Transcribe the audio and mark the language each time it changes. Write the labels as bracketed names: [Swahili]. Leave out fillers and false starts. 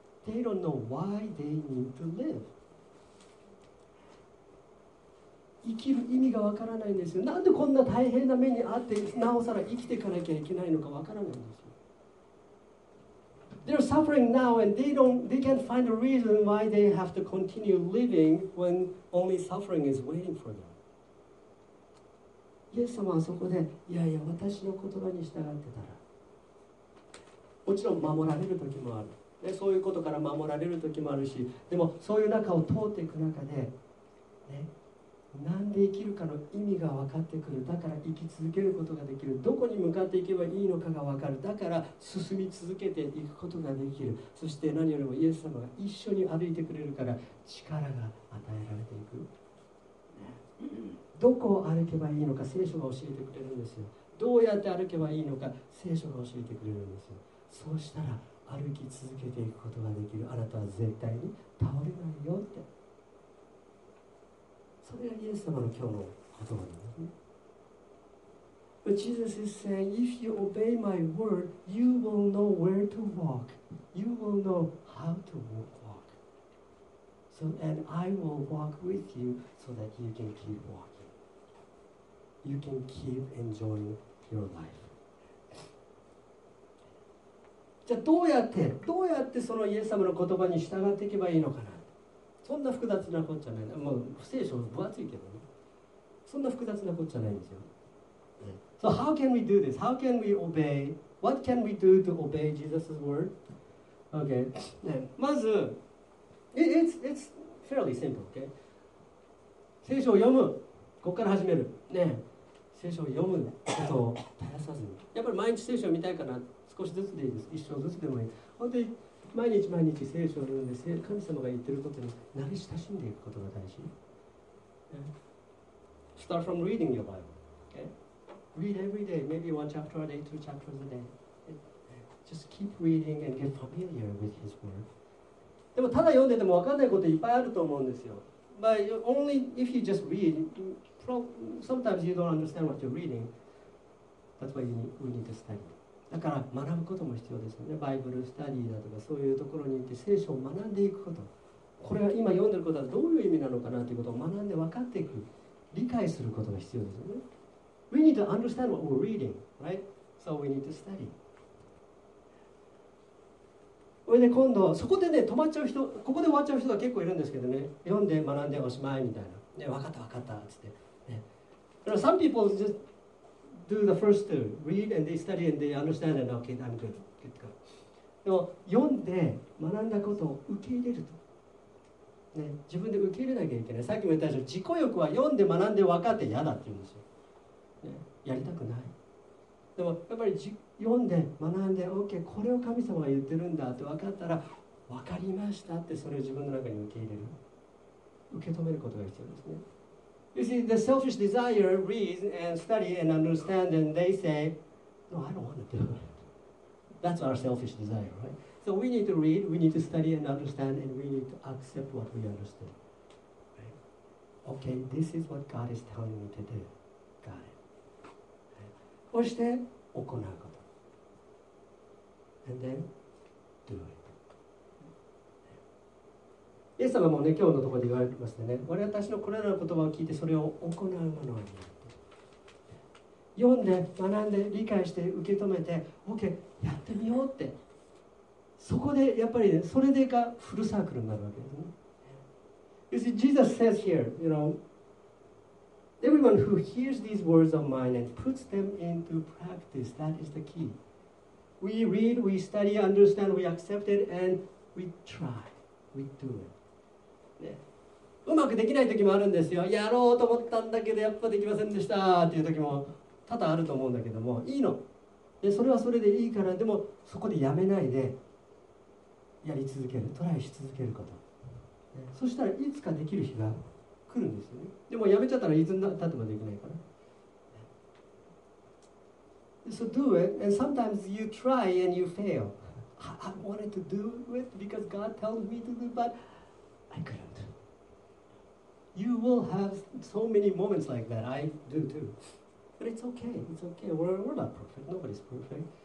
[English] They don't know why they need to live. [Japanese] 生きる意味がわからないんですよ。なんでこんな大変な目にあって、なおさら生きていかなきゃいけないのかわからないんですよ。 [English] They're suffering now and they can't find a reason why they have to continue living when only suffering is waiting for them. [Japanese] イエス様はそこで、いやいや、私の言葉に従ってたら。もちろん守られる時もある、ね。そういうことから守られる時もあるし、でもそういう中を通っていく中で、ね、なんで生きるかの意味が分かってくる。だから生き続けることができる。どこに向かっていけばいいのかが分かる。だから進み続けていくことができる。そして何よりもイエス様が一緒に歩いてくれるから力が与えられていく。どこを歩けばいいのか聖書が教えてくれるんですよ。どうやって歩けばいいのか聖書が教えてくれるんですよ。そうしたら歩き続けていくことができる。あなたは絶対に倒れないよって。 [English] But Jesus is saying, if you obey my word, you will know where to walk. You will know how to walk. So, and I will walk with you so that you can keep walking. You can keep enjoying your life. [Japanese] じゃあどうやってそのイエス様の言葉に従っていけばいいのかな。そんな複雑なことじゃない。もう聖書分厚いけどね。そんな複雑なことじゃないんですよ。 [English] So how can we do this? How can we obey? What can we do to obey Jesus' word? Okay. [Japanese] まず、 [English] it's fairly simple, okay? [Japanese] 聖書を読む。ここから始める。ね。聖書を読むことを絶やさずに。やっぱり毎日聖書を見たいかな。少しずつでいいです。一章ずつでもいい。本当に。毎日毎日聖書を読んで神様が言ってることに慣れ親しんでいくことが大事。 [English] Start from reading your Bible. Okay? Read every day, maybe one chapter a day, two chapters a day. Just keep reading and get familiar with His Word. [Japanese] でもただ読んでても分かんないこといっぱいあると思うんですよ。 [English] But only if you just read, sometimes you don't understand what you're reading. That's why we need to study. [Japanese] だから学ぶことも必要ですよね。バイブルスタディだとかそういうところに行って聖書を学んでいくこと。これは今読んでることはどういう意味なのかなということを学んで分かっていく。理解することが必要ですよね。 [English] We need to understand what we're reading, right? So we need to study. [Japanese] これで今度、そこでね、止まっちゃう人、ここで終わっちゃう人が結構いるんですけどね。読んで学んでおしまいみたいな。ね、分かった分かったって言って。ね、 [English] Some people justDo the first two. Read and they study and they understand and okay, I'm good. Good to go. [Japanese] でも読んで学んだことを受け入れると、ね。自分で受け入れなきゃいけない。さっきも言ったでしょ。自己欲は読んで学んで分かって嫌だって言うんですよ。ね、やりたくない。でもやっぱり読んで学んで OK、これを神様が言ってるんだって分かったら分かりましたってそれを自分の中に受け入れる。受け止めることが必要ですね。 [English] You see, the selfish desire reads and study and understand and they say, no, I don't want to do it. That's our selfish desire, right? So we need to read, we need to study and understand and we need to accept what we understood. Right? Okay, this is what God is telling me to do. Got it. [Japanese] そして、行うこと。 [English] And then, do it. [Japanese] イエス様もね、今日のところで言われてますね。我々私のこれらの言葉を聞いて、それを行うものになって。読んで、学んで、理解して、受け止めて、OK、やってみようって。そこで、やっぱりね、それでがフルサークルになるわけですね。 [English] You see, Jesus says here, you know, everyone who hears these words of mine and puts them into practice, that is the key. We read, we study, understand, we accept it, and we try. We do it. [Japanese] ね、うまくできない時もあるんですよ。やろうと思ったんだけどやっぱできませんでしたっていう時も多々あると思うんだけども、いいの、でそれはそれでいいから、でもそこでやめないでやり続ける、トライし続けること、そしたらいつかできる日が来るんですよね。でもやめちゃったらいつになったってもできないから。 [English] So do it, and sometimes you try and you fail. I wanted to do it because God tells me to do, but I couldn't. You will have so many moments like that. I do too. But it's okay. It's okay. We're not perfect. Nobody's perfect.